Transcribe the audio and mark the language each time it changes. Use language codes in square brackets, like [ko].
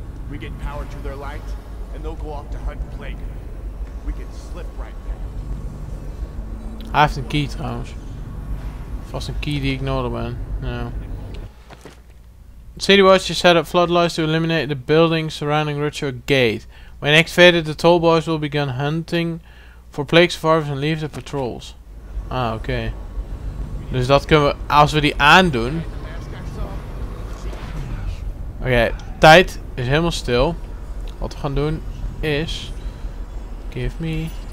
[en] We get power to their light, and they'll go off to hunt plague. We can slip right back. [nl] Hij heeft een key trouwens. Vast een key die ik nodig ben. Ja. [en] City Watch has set up floodlights to eliminate the building surrounding Ritual Gate. When activated, the toll boys will begin hunting for plague survivors and leave the patrols. Ah, oké. Okay. [nl] Dus dat kunnen we, als we die aandoen. Oké, okay, tijd is helemaal stil. Wat we gaan doen is. [en] Give me.